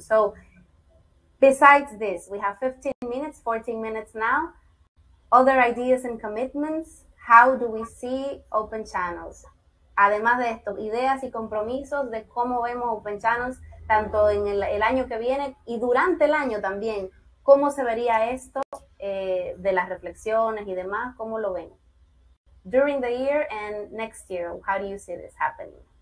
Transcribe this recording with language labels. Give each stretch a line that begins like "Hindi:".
English: So besides this, we have 15 minutes, 14 minutes now. Other ideas and commitments, how do we see Open Channels?
Spanish: Además de esto, ideas y compromisos de cómo vemos Open Channels tanto en el año que viene y durante el año también. ¿Cómo se vería esto de las reflexiones y demás? ¿Cómo lo ven?
English: During the year and next year, how do you see this happening?